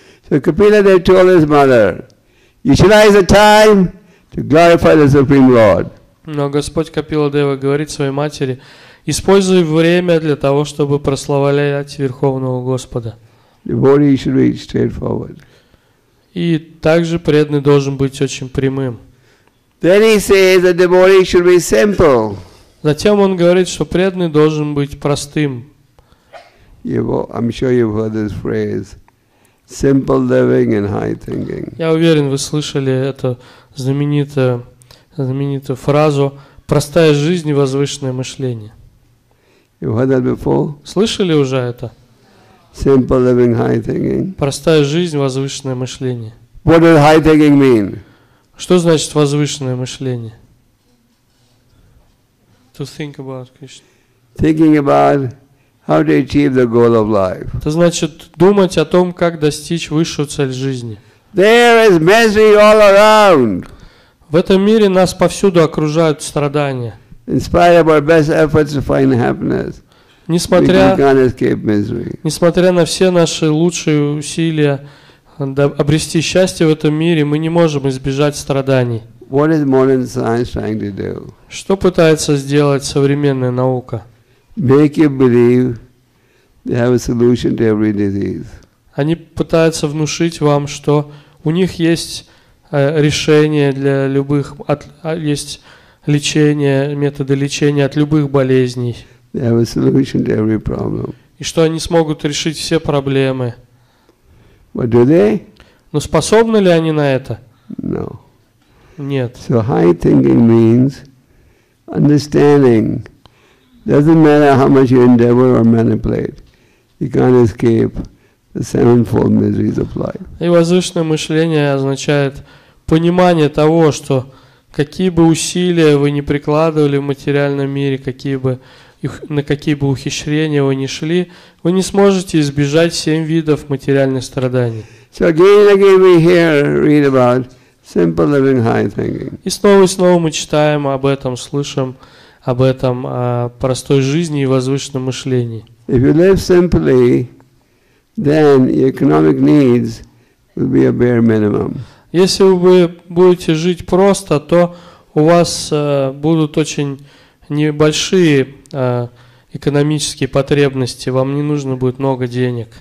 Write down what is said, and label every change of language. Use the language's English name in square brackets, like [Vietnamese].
[English] So Kapila Dev told his mother, utilize the time to glorify the Supreme Lord. [Russian] Но Господь Капила Дева говорит своей матери, используй время для того, чтобы прославлять Верховного Господа. [English] Devotee should be straightforward. [Russian] И также преданный должен быть очень прямым. [English] Then he says that devotee should be simple. [Russian] Затем он говорит, что преданный должен быть простым. [English] I'm sure you've heard this phrase. Simple living and high thinking. [Russian] Я уверен, вы слышали эту знаменитую фразу «простая жизнь и возвышенное мышление». [English] You heard that before? [Russian] Слышали уже это? [English] Simple living, high thinking. [Russian] Простая жизнь, возвышенное мышление. [English] What does high thinking mean? [Russian] Что значит возвышенное мышление? [English] To think about Krishna. Thinking about how to achieve the goal of life. [Russian] Это значит думать о том, как достичь высшую цель жизни. [English] There is misery all around. [Russian] В этом мире нас повсюду окружают страдания. [English] In spite of our best efforts to find happiness, [Russian] несмотря на все наши лучшие усилия обрести счастье в этом мире, мы не можем избежать страданий. [English] What is modern science trying to do? [Russian] Что пытается сделать современная наука? [English] Make you believe they have a solution to every disease. [Russian] Они пытаются внушить вам, что у них есть решение для любых, есть лечение, методы лечения от любых болезней. [English] They have a solution to every problem. [Russian] И что они смогут решить все проблемы. [English] But do they? [Russian] Но способны ли они на это? [English] No. [Russian] Нет. [English] So high thinking means understanding. Doesn't matter how much you endeavor or manipulate, you can't escape the sevenfold miseries of life. [Russian] И возвышенное мышление означает понимание того, что какие бы усилия вы ни прикладывали в материальном мире, на какие бы ухищрения вы ни шли, вы не сможете избежать семь видов материальных страданий. [English] So again and again we hear, read about simple living, high thinking. [Russian] И снова мы читаем об этом, слышим об этом, о простой жизни и возвышенном мышлении. [English] If you live simply, then your economic needs will be a bare minimum. [Russian] Если вы будете жить просто, то у вас будут очень небольшие экономические потребности, вам не нужно будет много денег.